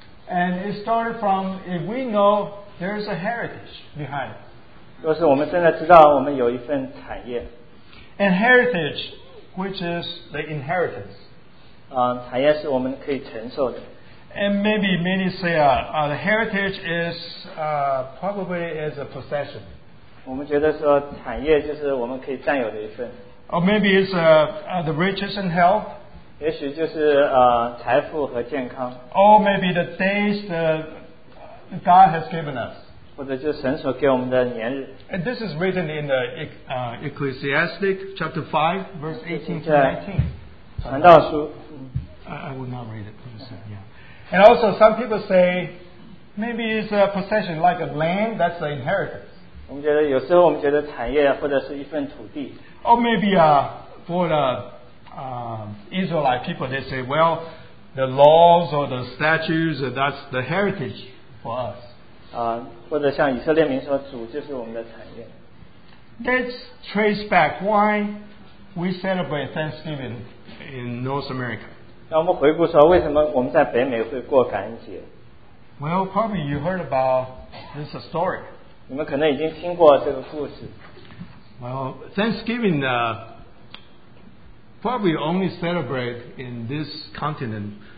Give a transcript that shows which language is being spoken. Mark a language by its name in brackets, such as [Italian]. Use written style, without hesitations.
[English] And it started from if we know there's a heritage behind it. [Chinese] 若是我们现在知道我们有一份产业. [English] And heritage, which is the inheritance. [Chinese] 产业是我们可以承受的. [English] And maybe many say the heritage is probably is a possession. [Chinese] 我们觉得说产业就是我们可以占有的一份. [English] Or maybe it's the riches and health. [Chinese] 也许就是, 财富和健康. [English] Or maybe the days that God has given us. [Chinese] 或者就是神所给我们的年日. [English] And this is written in the Ecclesiastic chapter 5 verse 18 to 19. [Chinese] 传道书. [English] I will not read it. And also some people say maybe it's a possession like a land, that's the inheritance. [Chinese] 我们觉得产业或者是一份土地. [English] Or maybe for the Israelite people, they say, well, the laws or the statutes, that's the heritage for us. [Chinese] 或者像以色列民说主就是我们的产业. [English] Let's trace back why we celebrate Thanksgiving in North America. [Chinese] 让我们回顾说为什么我们在北美会过感恩节。 [English] Well, probably you heard about this story. [Chinese] 你们可能已经听过这个故事。 [English] Well, Thanksgiving probably only celebrate in this continent.